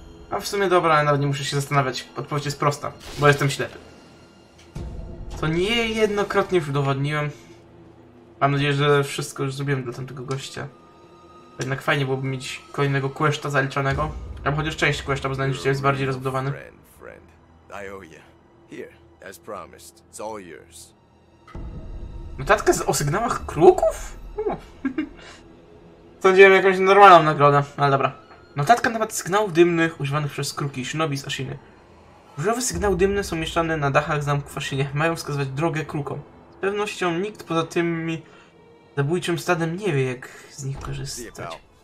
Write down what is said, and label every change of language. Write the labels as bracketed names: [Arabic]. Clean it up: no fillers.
[Polish] A w sumie dobra, ale nawet nie muszę się zastanawiać. Odpowiedź jest prosta, bo jestem ślepy. To niejednokrotnie już udowodniłem. Mam nadzieję, że wszystko już zrobiłem dla tamtego gościa. Jednak fajnie byłoby mieć kolejnego questa zaliczonego. Albo chociaż część questa, bo znajdziesz się jest bardziej rozbudowany. [English] Friend. I owe you. Here, as promised. It's all yours. [Polish] Notatka o sygnałach kruków? Sądziłem jakąś normalną nagrodę, ale dobra. Notatka nawet sygnałów dymnych używanych przez kruki, shinobi z Ashiny. Różowe sygnały dymne są mieszane na dachach zamku w Ashinie. Mają wskazywać drogę krukom. Z pewnością nikt poza tym zabójczym stadem nie wie, jak z nich korzystać.